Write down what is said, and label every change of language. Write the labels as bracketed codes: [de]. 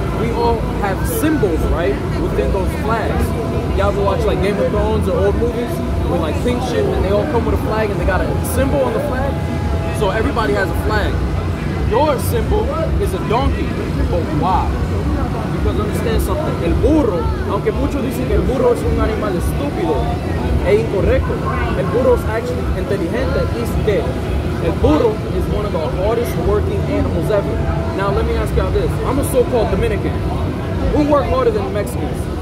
[en] We all have symbols, right, within those flags. Y'all ever watch like Game of Thrones or old movies with like pink shit, and they all come with a flag, and they got a symbol on the flag? So everybody has a flag. Your symbol is a donkey, but why? Because understand something, [es] el burro, aunque muchos dicen que el burro es un animal estúpido, e incorrecto. [en] El burro is actually inteligente, is dead. El burro is one of the hardest working animals ever. Now let me ask y'all this. I'm a so-called Dominican. Who work harder than the Mexicans?